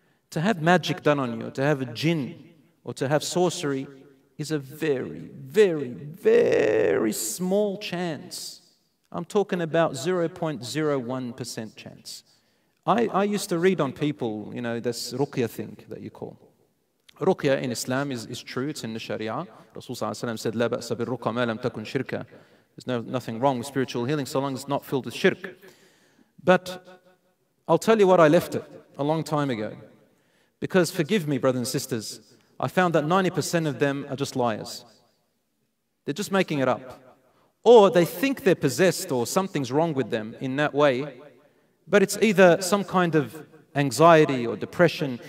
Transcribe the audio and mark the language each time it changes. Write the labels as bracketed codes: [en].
[en] To have magic done on you, or to have a jinn, or to have sorcery, is a very, very, very small chance. I'm talking about 0.01% chance. I used to read on people, you know, this ruqya thing that you call. Ruqya in Islam is true, it's in the Sharia. Rasulullah said, [ar] لَا بَأْسَ بِالرُّقَى مَا لَمْ تَكُنْ شِرْكَ. [en] There's nothing wrong with spiritual healing so long as it's not filled with shirk. But I'll tell you what I left it a long time ago. Because forgive me, brothers and sisters, I found that 90% of them are just liars. They're just making it up. Or they think they're possessed or something's wrong with them in that way, but it's either some kind of anxiety or depression.